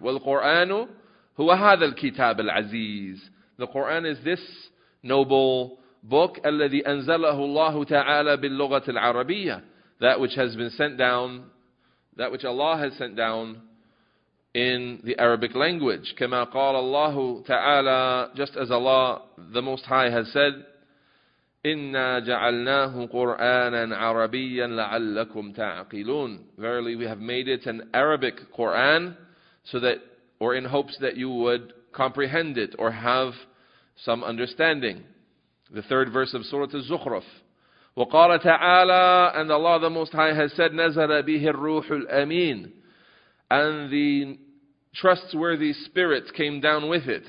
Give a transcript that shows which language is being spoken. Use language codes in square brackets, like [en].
[ar] وَالْقُرْآنُ هُوَ هَذَا الْكِتَابِ الْعَزِيزِ. [en] The Qur'an is this noble book, [ar] الَّذِي أَنزَلَهُ اللَّهُ تَعَالَى بِاللُّغَةِ الْعَرَبِيَّةِ, [en] that which has been sent down, that which Allah has sent down in the Arabic language. [ar] كَمَا قَالَ اللَّهُ تَعَالَى, [en] just as Allah the Most High has said, [ar] إِنَّا جَعَلْنَاهُ قُرْآنًا عَرَبِيًّا لَعَلَّكُمْ تَعْقِلُونَ. [en] Verily, we have made it an Arabic Qur'an, so that, or in hopes that you would comprehend it or have some understanding. The third verse of Surah Al-Zukhruf. [ar] وَقَالَ تَعَالَى, [en] and Allah the Most High has said, [ar] نَزَلَ بِهِ الرُّوحُ الْأَمِينَ, [en] and the trustworthy spirit came down with it.